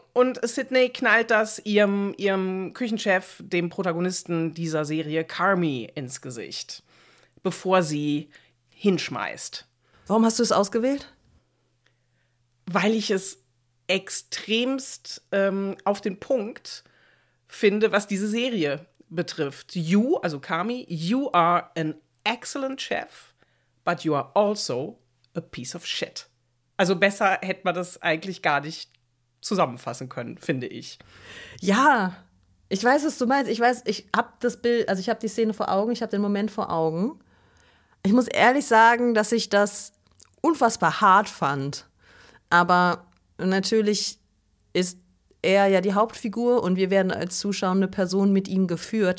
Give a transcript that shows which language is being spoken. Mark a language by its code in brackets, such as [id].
[de] Und Sydney knallt das ihrem Küchenchef, dem Protagonisten dieser Serie, Carmi, ins Gesicht, bevor sie hinschmeißt. Warum hast du es ausgewählt? Weil ich es extremst auf den Punkt finde, was diese Serie betrifft. [en] You, also Carmi, you are an excellent chef, but you are also a piece of shit. [de] Also besser hätte man das eigentlich gar nicht zusammenfassen können, finde ich. Ja, ich weiß, was du meinst. Ich weiß, ich habe das Bild, also ich habe die Szene vor Augen, ich habe den Moment vor Augen. Ich muss ehrlich sagen, dass ich das unfassbar hart fand, aber natürlich ist er ja die Hauptfigur und wir werden als zuschauende Person mit ihm geführt.